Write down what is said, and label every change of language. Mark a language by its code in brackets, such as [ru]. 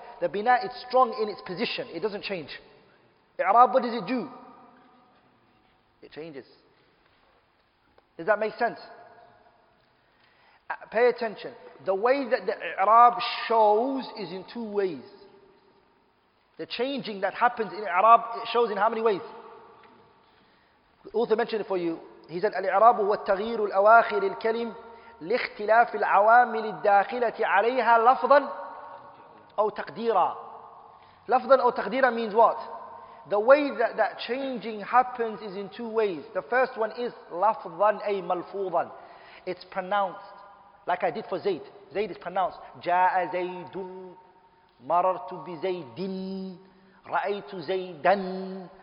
[en] The bina is strong in its position. It doesn't change. I'rab, what does it do? It changes. Does that make sense? Pay attention. The way that the I'rab shows is in two ways. The changing that happens in I'rab, it shows in how many ways? The author mentioned it for you. He said, [ar] Al-I'rab huwa at-taghyir al-awakhir al-kalim لاختلاف العوامل الداخلة عليها لفظا أو تقديرا. لفظا أو تقديرا [en] means what? The way that changing happens is in two ways. The first one is [ar] لفظا أي ملفوظا. [en] It's pronounced like I did for Zayd. Zayd is pronounced [ar] جاء زيد مررت بزيد رأيت زيدا.